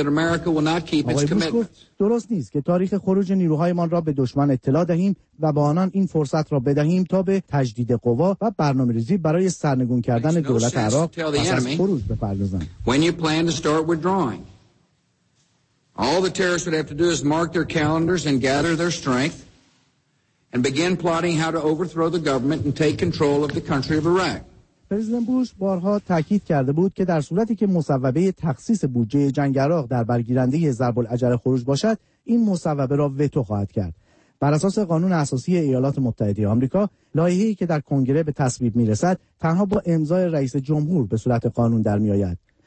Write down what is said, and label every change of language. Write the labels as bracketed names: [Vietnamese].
[Persian] آقای بوش گفت درست نیست که تاریخ خروج نیروهای مان را به دشمن اطلاع دهیم و با آنان این فرصت را بدهیم تا به تجدید قوا و برنامه‌ریزی برای سرنگون کردن دولت عراق پس از خروج بپردازند. [English] When you plan to start withdrawing, all the terrorists would have to do is mark their calendars and gather their strength and begin plotting how to overthrow the government and take control of the country of Iraq. [Persian] پرزیدنت بوش بارها تاکید کرده بود که در صورتی که مصوبه تخصیص بودجه جنگ عراق در برگیرنده ضرب الاجل خروج باشد، این مصوبه را وتو خواهد کرد. بر اساس قانون اساسی ایالات متحده آمریکا، لایحه‌ای که در کنگره به تصویب می‌رسد، تنها با امضای رئیس جمهور به صورت قانون درمی‌آید.